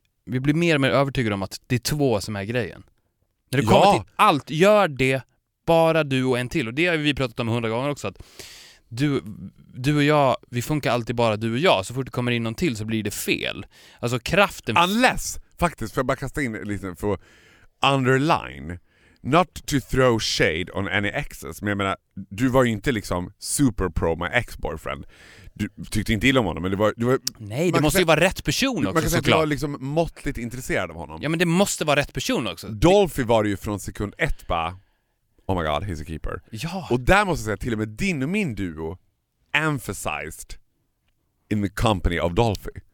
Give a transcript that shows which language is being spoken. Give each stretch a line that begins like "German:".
Swedish: Vi blir mer och mer övertygade om att det är två som är grejen. När du kommer till allt, gör det bara du och en till. Och det har vi pratat om 100 gånger också. Att du och jag, vi funkar alltid bara du och jag. Så fort det kommer in någon till så blir det fel. Alltså kraften... Unless, faktiskt, för jag bara kasta in lite för underline...
English: Not to throw shade on any exes.
Swedish: Men jag menar, du var ju inte liksom
English: super pro my ex-boyfriend.
Swedish: Du tyckte inte illa om honom, men du var... Nej, det måste ju vara rätt person också. Man kan säga såklart att du var liksom måttligt intresserad av honom. Ja, men det måste vara rätt person också. Dolphy var ju från sekund ett bara,
English: oh my god, he's a keeper.
Swedish: Ja. Och där måste jag säga, till och med din och min duo
English: emphasized in the company of
Swedish: Dolphy.